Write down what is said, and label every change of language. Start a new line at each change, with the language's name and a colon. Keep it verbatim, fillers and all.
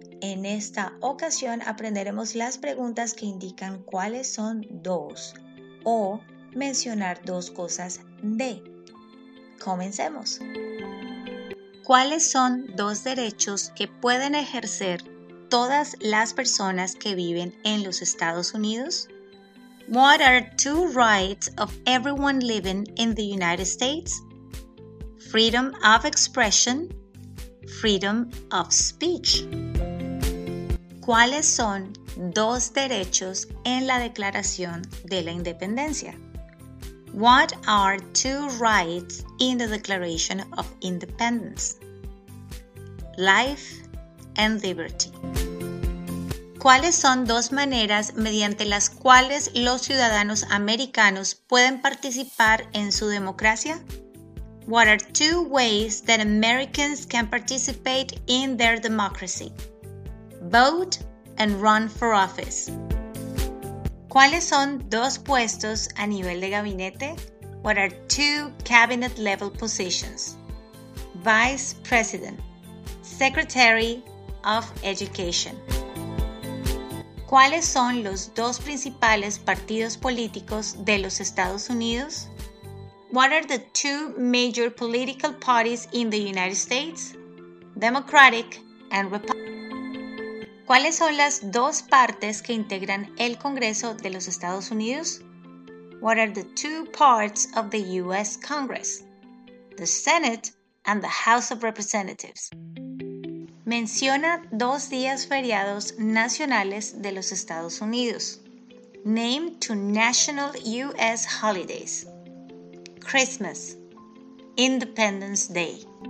Spanish: En esta ocasión aprenderemos las preguntas que indican cuáles son dos o mencionar dos cosas de. Comencemos. ¿Cuáles son dos derechos que pueden ejercer todas las personas que viven en los Estados Unidos?
English: What are two rights of everyone living in the United States? Freedom of expression, freedom of speech.
Spanish: ¿Cuáles son dos derechos en la Declaración de la Independencia?
English: What are two rights in the Declaration of Independence? Life and liberty.
Spanish: ¿Cuáles son dos maneras mediante las cuales los ciudadanos americanos pueden participar en su democracia?
English: What are two ways that Americans can participate in their democracy? Vote and run for office.
Spanish: ¿Cuáles son dos puestos a nivel de gabinete?
English: What are two cabinet level positions? Vice President, Secretary of Education.
Spanish: ¿Cuáles son los dos principales partidos políticos de los Estados Unidos?
English: What are the two major political parties in the United States? Democratic and Republican.
Spanish: ¿Cuáles son las dos partes que integran el Congreso de los Estados Unidos?
English: What are the two parts of the U S Congress? The Senate and the House of Representatives.
Spanish: Menciona dos días feriados nacionales de los Estados Unidos.
English: Name two national U S holidays. Christmas, Independence Day.